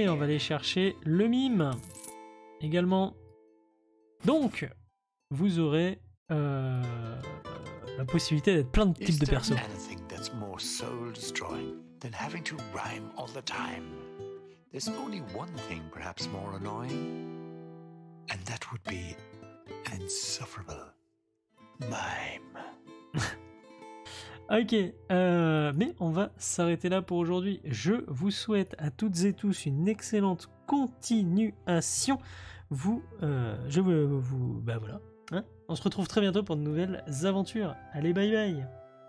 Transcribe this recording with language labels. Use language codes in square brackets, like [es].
[fr] Allez, on va aller chercher le mime également. Donc, vous aurez la possibilité d'être plein de types de persos. [en] Anything that's more soul-destroying than having to rhyme all the time. There's only one thing perhaps more annoying, and that would be insufferable mime. [fr] Ok, mais on va s'arrêter là pour aujourd'hui. Je vous souhaite à toutes et tous une excellente continuation. Je vous... Ben voilà. Hein, on se retrouve très bientôt pour de nouvelles aventures. Allez, bye bye.